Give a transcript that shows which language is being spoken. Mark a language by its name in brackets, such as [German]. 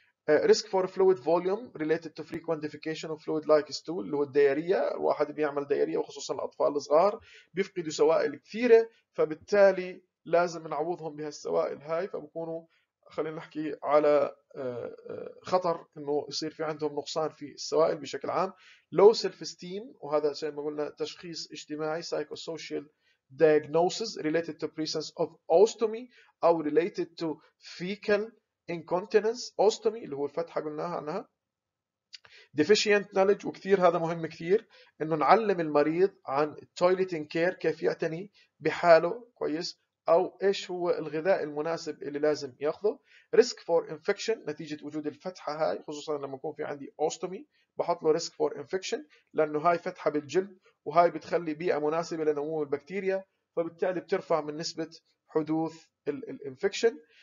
[English] risk for fluid volume related to frequent defecation of fluid like stool [Arabic] اللي هو الدايريا, الواحد بيعمل دايريا وخصوصا الاطفال الصغار بيفقدوا سوائل كثيره فبالتالي لازم نعوضهم بهالسوائل هاي فبكونوا خلينا نحكي على خطر انه يصير في عندهم نقصان في السوائل بشكل عام. [English] low self esteem [Arabic] وهذا زي ما قلنا تشخيص اجتماعي [English] psychosocial diagnosis related to presence of ostomy او related to fecal incontinence. [Arabic] ostomy اللي هو الفتحة قلناها عنها. deficient knowledge وكثير هذا مهم كثير انه نعلم المريض عن toileting care كيف يعتني بحاله كويس او ايش هو الغذاء المناسب اللي لازم ياخذه. [English] risk for infection [Arabic] نتيجة وجود الفتحة هاي خصوصا لما يكون في عندي ostomy بحط له risk for infection لانه هاي فتحة بالجلد وهاي بتخلي بيئة مناسبة لنمو البكتيريا فبالتالي بترفع من نسبة حدوث الانفكشن.